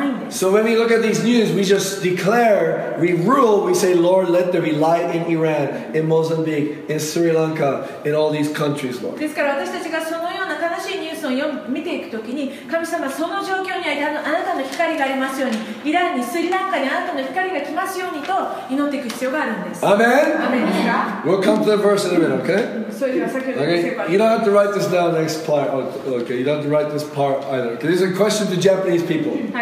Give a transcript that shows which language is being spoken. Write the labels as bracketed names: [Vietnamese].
[English] So when we look at these news, we just declare, we rule, we say, Lord, let there be light in Iran, in Mozambique, in Sri Lanka, in all these countries, Lord. [Japanese] ですから私たちがそのような悲しいニュースを見ていくときに、神様、その状況にあなたの光がありますように、イランに、スリランカにあなたの光が来ますようにと祈っていく必要があるんです。 [English] Amen? Amen. We'll come to the verse in a minute, okay? Okay. You don't have to write this down next part. Okay. You don't have to write this part either. Okay. This is a question to Japanese people.